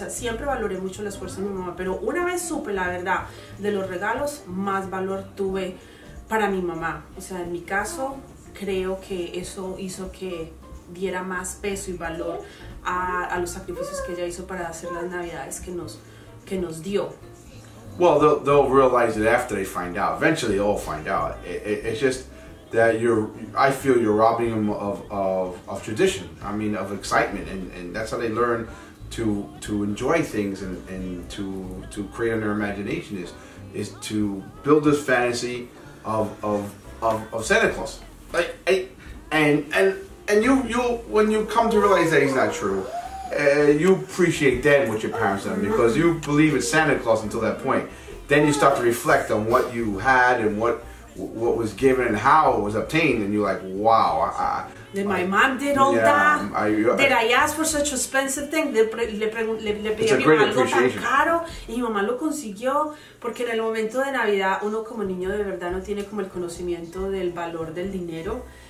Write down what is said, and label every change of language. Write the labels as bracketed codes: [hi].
[es] O sea, siempre valoré mucho el esfuerzo de mi mamá, pero una vez supe la verdad de los regalos, más valor tuve para mi mamá. O sea, en mi caso, creo que eso hizo que diera más peso y valor a los sacrificios que ella hizo para hacer las navidades que nos dio. [en] Well, they'll realize it after they find out. Eventually, they'll find out. It's just that I feel you're robbing them of tradition. I mean, of excitement, and that's how they learn to enjoy things and to create in their imagination is to build this fantasy of Santa Claus. And you when you come to realize that he's not true, you appreciate then what your parents done, because you believe it's Santa Claus until that point. Then you start to reflect on what you had and what was given and how it was obtained, and you're like, wow. Did my mom did all that? Did I ask for such expensive thing? [es] Le pedí a mi mamá algo tan caro y mi mamá lo consiguió, porque en el momento de Navidad uno como niño de verdad no tiene como el conocimiento del valor del dinero.